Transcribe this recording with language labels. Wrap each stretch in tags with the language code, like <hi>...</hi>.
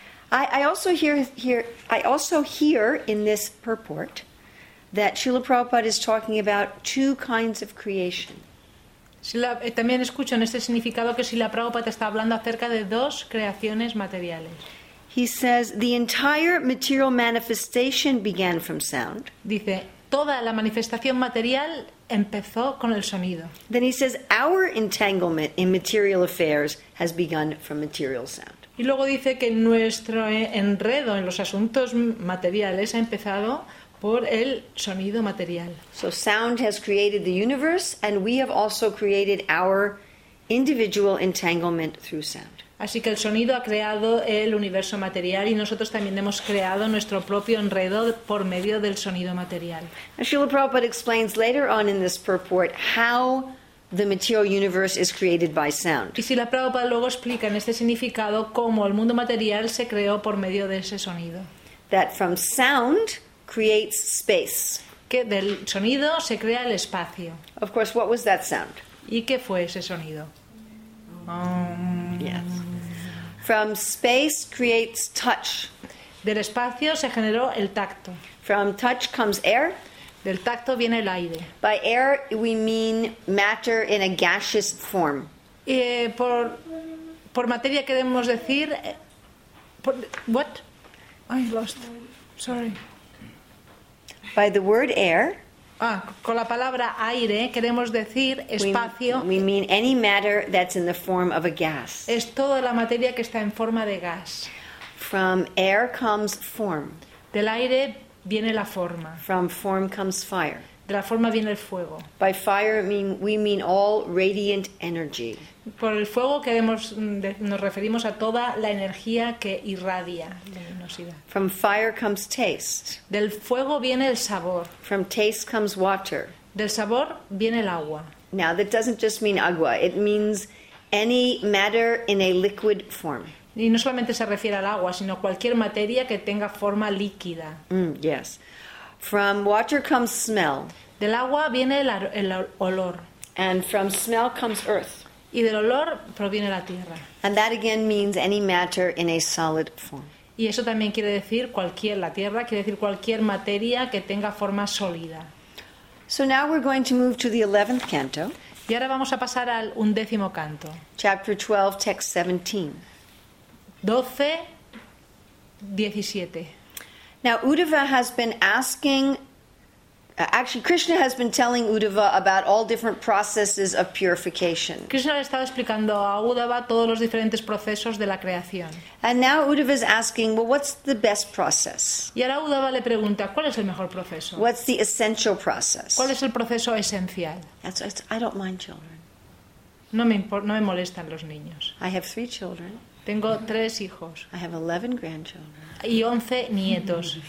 <en>I also hear in this purport that Srila Prabhupada is talking about two kinds of creation.</en> <es>También escucho en este significado que Srila Prabhupada está hablando acerca de dos creaciones materiales.</es> <en>He says the entire material manifestation began from sound.</en> <es>Dice, toda la manifestación material empezó con el sonido.</es> <en>Then he says, our entanglement in material affairs has begun from material sound.</en> <es>Y luego dice que nuestro enredo en los asuntos materiales ha empezado por el sonido material.</es> <en>So sound has created the universe, and we have also created our individual entanglement through sound.</en> <es>Así que el sonido ha creado el universo material y nosotros también hemos creado nuestro propio enredo por medio del sonido material.</es> <en>Srila Prabhupada explains later on in this purport how the material universe is created by sound.</en> <es>Y Srila Prabhupada luego explica en este significado cómo el mundo material se creó por medio de ese sonido.</es> <en>That from sound creates space.</en> <es>Que del sonido se crea el espacio.</es> <en>Of course, what was that sound?</en> <es>¿Y qué fue ese sonido?</es> <en>Yes. From space creates touch.</en> <es>Del espacio se generó el tacto.</es> <en>From touch comes air.</en> <es>Del tacto viene el aire.</es> <en>By air we mean matter in a gaseous form.</en> <es>Por materia queremos decir</es> <en>what? I lost. Sorry. By the word air.</en> <es>Ah, con la palabra aire queremos decir espacio.</es> <en>We mean any matter that's in the form of a gas.</en> <es>Es toda la materia que está en forma de gas.</es> <en>From air comes form.</en> <es>Del aire viene la forma.</es> <en>From form comes fire.</en> <es>De la forma viene el fuego.</es> <en>By fire we mean all radiant energy.</en> <es>Por el fuego nos referimos a toda la energía que irradia luminosidad.</es> <en>From fire comes taste.</en> <es>Del fuego viene el sabor.</es> <en>From taste comes water.</en> <es>Del sabor viene el agua.</es> <en>Now that doesn't just mean agua. It means any matter in a liquid form.</en> <es>Y no solamente se refiere al agua, sino cualquier materia que tenga forma líquida.</es> <en>Yes. From water comes smell.</en> <es>Del agua viene el olor.</es> <en>And from smell comes earth.</en> <es>Y del olor proviene la tierra.</es> <en>And that again means any matter in a solid form.</en> <es>Y eso también quiere decir cualquier la tierra, quiere decir cualquier materia que tenga forma sólida.</es> <en>So now we're going to move to the 11th canto.</en> <es>Y ahora vamos a pasar al undécimo canto.</es> <en>Chapter 12, text 17.</en> <es>12, 17.</es> <en>Now Uddhava has been asking, actually Krishna has been telling Uddhava about all different processes of purification.</en> <es>Krishna le estaba explicando a Uddhava todos los diferentes procesos de la creación.</es> <en>And now Uddhava is asking, well, what's the best process?</en> <es>Y ahora Uddhava le pregunta, ¿cuál es el mejor proceso?</es> <en>What's the essential process?</en> <es>¿Cuál es el proceso esencial?</es> <en>I don't mind children.</en> <es>No me molestan los niños.</es> <en>I have three children.</en> <es>Tengo tres hijos.</es> <en>I have 11 grandchildren.</en> <es>Y 11 nietos.</es>